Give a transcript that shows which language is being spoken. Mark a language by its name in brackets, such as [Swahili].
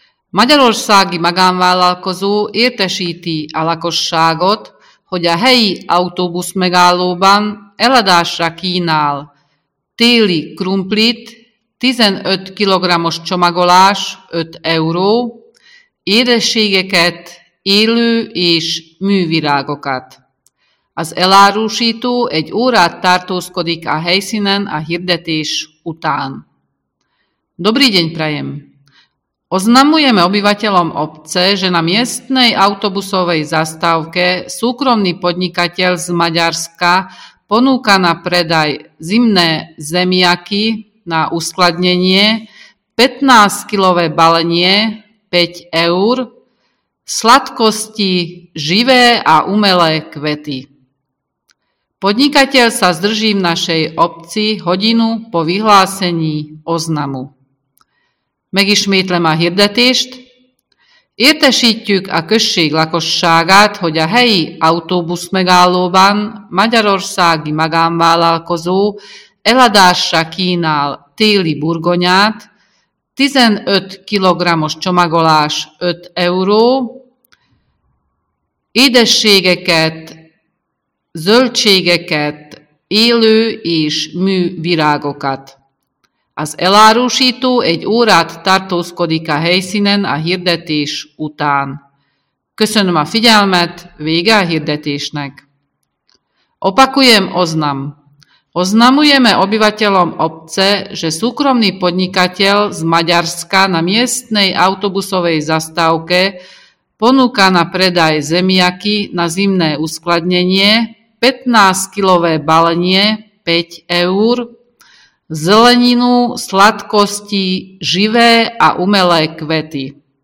[Hungarian] Magyarországi magánvállalkozó értesíti a lakosságot, hogy a helyi autóbusz megállóban eladásra kínál téli krumplit 15 kg-os csomagolás 5 euró, édességeket, élő és művirágokat. Az elárusító egy órát tartózkodik a helyszínen a hirdetés után. [Slovak] Dobrý deň, prajem. Oznamujeme obyvateľom obce, že na miestnej autobusovej zastávke súkromný podnikateľ z Maďarska ponúka na predaj zimné zemiaky na uskladnenie, 15-kilové balenie, 5 eur, sladkosti, živé a umelé kvety. Podnikateľ sa zdrží v našej obci hodinu po vyhlásení oznamu. [Hungarian] Megismétlem a hirdetést. Értesítjük a község lakosságát, hogy a helyi autóbusz megállóban magyarországi magánvállalkozó eladásra kínál téli burgonyát, 15 kg-os csomagolás 5 euró, édességeket, zöldségeket, élő és művirágokat. Az elárusító egy órát tartózkodik a helyszínen a hirdetés után. Köszönöm a figyelmet, vége a hirdetésnek. [Slovak] Opakujem oznam. Oznamujeme obyvateľom obce, že súkromný podnikateľ z Maďarska na miestnej autobusovej zastávke ponúka na predaj zemiaky na zimné uskladnenie, 15-kilové balenie, 5 eur, zeleninu, sladkosti, živé a umelé kvety.